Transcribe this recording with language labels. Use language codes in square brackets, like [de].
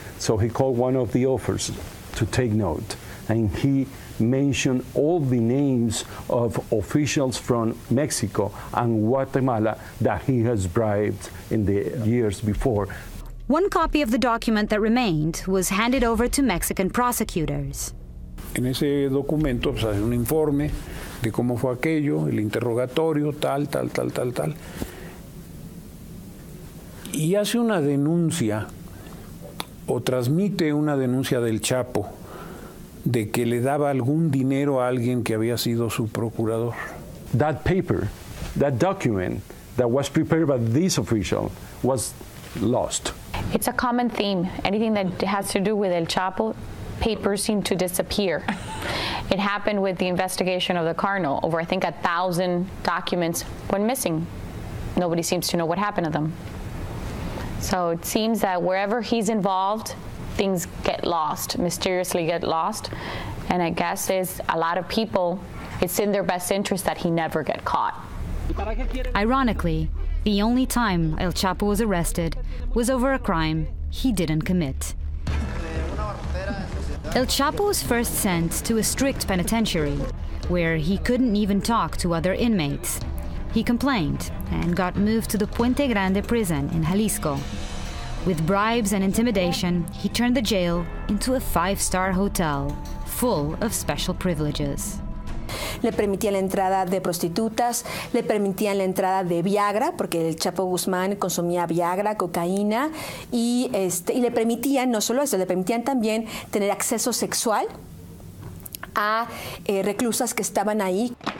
[en] So he called one of the officers to take note. And he mentioned all the names of officials from Mexico and Guatemala that he has bribed in the years before. One copy of the document that remained was handed over to Mexican prosecutors. [es] En ese documento se hace un informe de cómo fue aquello, el interrogatorio, tal, tal, tal, tal, tal. Y hace una denuncia o transmite una denuncia del Chapo de que le daba algún dinero a alguien que había sido su procurador. [en] That paper, that document that was prepared by this official was lost. It's a common theme. Anything that has to do with El Chapo, papers seem to disappear. It happened with the investigation of the Cardinal. Over, I think, 1,000 documents went missing. Nobody seems to know what happened to them. So it seems that wherever he's involved, things get lost, mysteriously get lost. And I guess is a lot of people, it's in their best interest that he never get caught. Ironically, the only time El Chapo was arrested was over a crime he didn't commit. El Chapo was first sent to a strict penitentiary where he couldn't even talk to other inmates. He complained and got moved to the Puente Grande prison in Jalisco. With bribes and intimidation, he turned the jail into a five-star hotel full of special privileges. [es] Le permitían la entrada de prostitutas, le permitían la entrada de Viagra, porque el Chapo Guzmán consumía Viagra, cocaína, y le permitían, no solo eso, le permitían también tener acceso sexual a reclusas que estaban ahí.